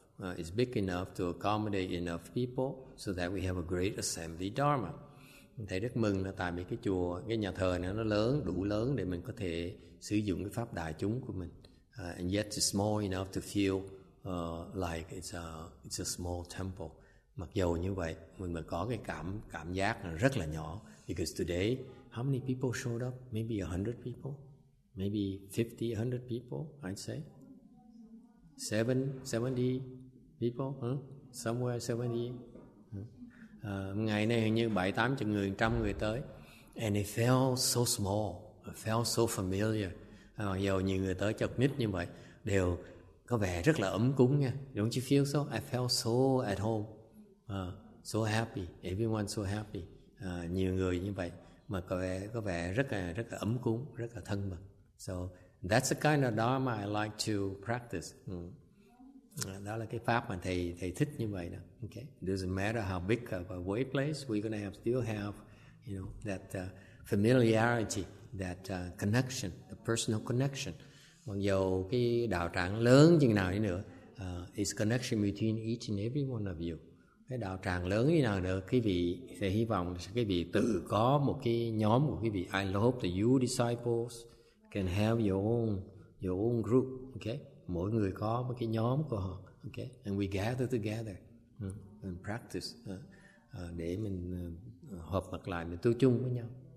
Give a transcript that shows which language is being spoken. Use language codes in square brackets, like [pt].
[en] It's big enough to accommodate enough people so that we have a great assembly dharma. [vi] Thầy rất mừng là tại vì cái chùa, cái nhà thờ này nó lớn, đủ lớn để mình có thể sử dụng cái pháp đại chúng của mình. [en] And yet it's small enough to feel like it's a small temple. [vi] Mặc dù như vậy, mình mới có cái cảm giác là rất là nhỏ. [en] Because today, how many people showed up? Maybe 100 people? Maybe 50, 100 people, I'd say? 70 people? Somewhere 70? [vi] Ngày nay hình như 7-80 người, 100 người tới. [en] And it felt so small, it felt so familiar. [vi] Mặc dù nhiều người tới chật nít như vậy, đều có vẻ rất là ấm cúng nha. [en] Don't you feel so? I felt so at home. So happy, everyone so happy. [vi] Nhiều người như vậy mà có vẻ rất là ấm cúng, rất là thân mật. [en] So that's the kind of dharma I like to practice. [vi] Đó là cái pháp mà thầy thích như vậy đó. [en] Okay. Doesn't matter how big of a way place, we're gonna still have, you know, that familiarity, that connection, the personal connection. [vi] Mặc dù cái đạo tràng lớn chừng nào đi nữa, [en] is connection between each and every one of you. [vi] Cái đạo tràng lớn như nào nữa, quý vị sẽ hy vọng là quý vị tự có một cái nhóm của quý vị. [en] I hope that you disciples can have your own group. Okay. [vi] Mỗi người có một cái nhóm của họ. Okay. [en] And we gather together and practice. [vi] Để mình hợp mặt lại, mình tu chung với nhau.